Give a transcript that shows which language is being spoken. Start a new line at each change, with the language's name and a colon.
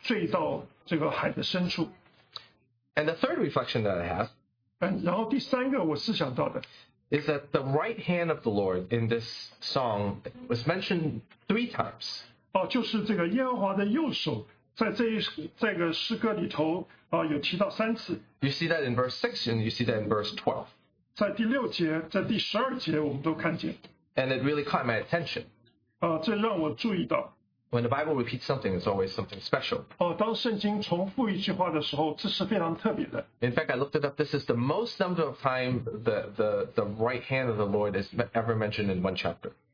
Chinese: 所以对我适合等的激励，就是这些法老的车辆、军兵，耶和华都让他们坠到这个海的深处。
English: And the third reflection that I have,
Chinese: 然后第三个我思想到的,
English: is that the right hand of the Lord in this song was mentioned three times.
Chinese: 就是这个耶和华的右手。在这个诗歌里头有提到三次。
English: You see that in verse 6 and you see that in verse 12.
Chinese: 在第六节,在第十二节我们都看见。
English: And it really caught my attention.
Chinese: 这让我注意到。
English: When the Bible repeats something, it's always something special.
Chinese: 当圣经重复一句话的时候,这是非常特别的。
English: In fact, I looked it up, this is the most number of times the right hand of the Lord is ever mentioned in one chapter.